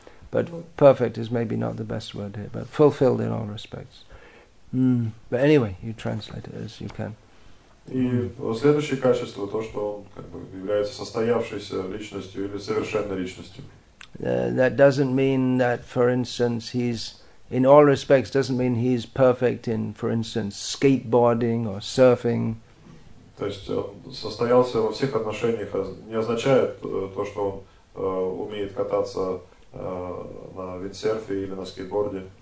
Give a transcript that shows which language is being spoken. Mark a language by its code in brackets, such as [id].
[en] But perfect is maybe not the best word here, but fulfilled in all respects. But anyway, you translate it as you can. [ru] И следующее качество, то, что он как бы является состоявшейся личностью или совершенной личностью. [en] That doesn't mean that, for instance, he's, in all respects, doesn't mean he's perfect in, for instance, skateboarding or surfing. [ru] То есть он состоялся во всех отношениях, не означает то, что он умеет кататься на виндсерфе или на скейтборде.